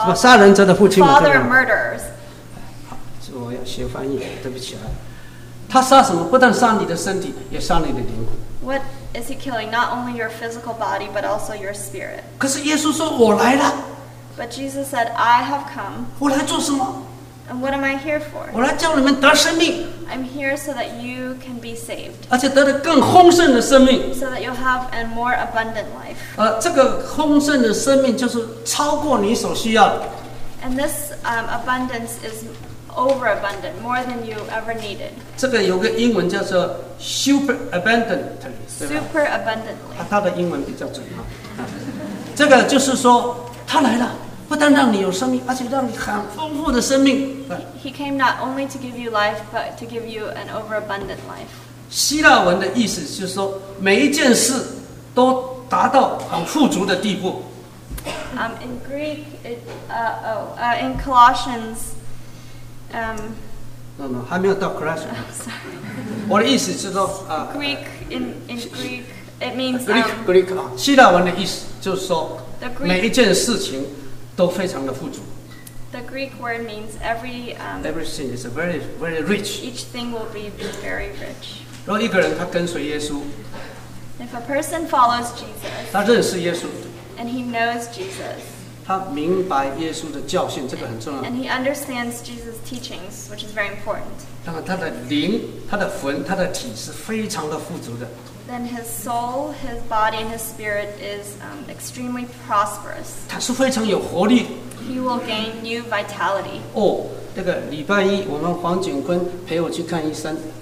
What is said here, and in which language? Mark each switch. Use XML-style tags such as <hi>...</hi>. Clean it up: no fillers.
<zh>father. 杀人者的父亲。 Father of murderers. 好，我要学翻译，对不起啊。他杀什么？不但杀你的身体，也杀你的灵魂。</zh> <en>What is he killing? Not only your physical body, but also your spirit.</en> <zh>可是耶稣说我来了。</zh> <en>But Jesus said, I have come.</en> <zh>我来做什么?</zh> <en>And what am I here for?</en> <zh>我来叫你们得生命。</zh> <en>I'm here so that you can be saved.</en> <zh>而且得了更丰盛的生命。</zh> <en>So that you'll have a more abundant life.</en> <zh>这个丰盛的生命就是超过你所需要的。</zh> <en>And this abundance is overabundant, more than you ever needed.</en> <zh>这个有个英文叫做</zh> <en>super abundant,</en> <zh>对吧?</zh> <en>Super abundantly.</en> <zh>它的英文比较准啊。这个就是说他来了，不但让你有生命，而且让你很丰富的生命。</zh> <en>He came not only to give you life, but to give you an overabundant life.</en> <zh>希腊文的意思就是说，每一件事都达到很富足的地步。</zh> <en>In Greek, in Colossians,</en> <zh>No, 还没有到 Colossians.</zh> <en>Sorry.</en> <zh>我的意思就是说，</zh> <en>Greek in Greek it means</en> <zh>Greek 啊，希腊文的意思就是说。每一件事情都非常的富足。</zh> <en>The Greek word means every. Everything is very, very rich. Each thing will be very rich.</en> <zh>如果一个人他跟随耶稣。</zh> <en>If a person follows Jesus.</en> <zh>他认识耶稣。</zh> <en>And he knows Jesus.</en> <zh>他明白耶稣的教训，这个很重要。</zh> <en>And he understands Jesus' teachings, which is very important.</en> <zh>那么他的灵、他的魂、他的体是非常的富足的。</zh> <en>Then his soul, his body, and his spirit is extremely prosperous.</en> <zh>他是非常有活力。</zh> <en>He will gain new vitality.</en> <zh>哦，这个礼拜一我们黄景坤陪我去看医生。</zh>